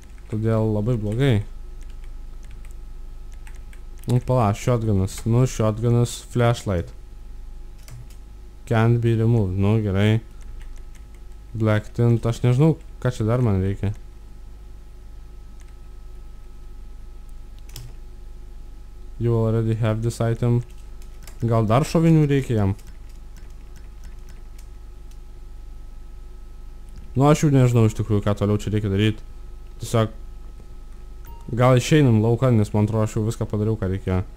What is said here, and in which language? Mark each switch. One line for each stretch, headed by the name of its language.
Lithuanian: Todėl labai blogai. Nu, pala, shotgunas, nu, shotgunas, flashlight.
English: Can't be removed,
Lithuanian: nu, gerai. Black tint, aš nežinau, ką čia dar man reikia.
English: You already have this item.
Lithuanian: Gal dar šovinių reikia jam? Nu, aš jau nežinau iš tikrųjų, ką toliau čia reikia daryti. Tiesiog... Gal išeinam lauką, nes man atrodo, aš jau viską padariau, ką reikėjo.